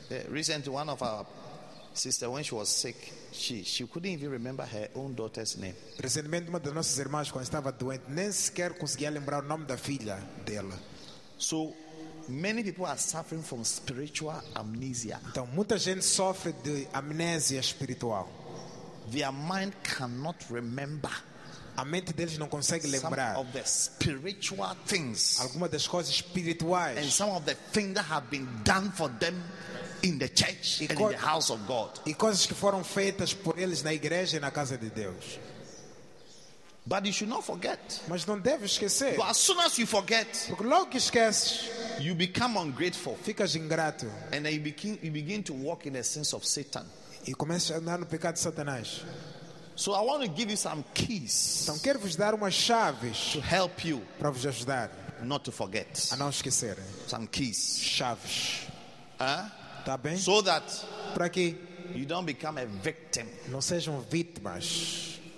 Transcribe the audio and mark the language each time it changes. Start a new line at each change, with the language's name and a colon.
English: Recently, one of our sister, when she was sick, she couldn't even remember her own daughter's name.
Portuguese: Recentemente, uma das nossas irmãs, quando estava doente, nem sequer conseguia lembrar o nome da filha dela.
English: So, many people are suffering from spiritual amnesia.
Portuguese: Então, muita gente sofre de amnésia espiritual.
English: Their mind cannot remember.
Portuguese: A mente deles não consegue lembrar
English: some of the spiritual things.
Portuguese: Algumas das coisas espirituais.
English: And some of the things that have been done for them. in the church and in the house of God.
Portuguese: E coisas que foram feitas por eles na igreja e na casa de Deus.
English: But you should not forget.
Portuguese: Mas não deve esquecer.
English: But as soon as you forget,
Portuguese: porque logo que esqueces,
English: you become ungrateful.
Portuguese: Ficas ingrato.
English: And then you begin to walk in the sins of Satan.
Portuguese: E começas a andar no pecado de Satanás.
English: So I want to give you some keys.
Portuguese: Então quero vos dar umas chaves
English: to help you,
Portuguese: para vos ajudar,
English: not to forget.
Portuguese: A não esquecer.
English: Some keys.
Portuguese: Chaves. Tá bem?
English: So that,
Portuguese: para que
English: you don't become a victim.
Portuguese: Não sejam vítimas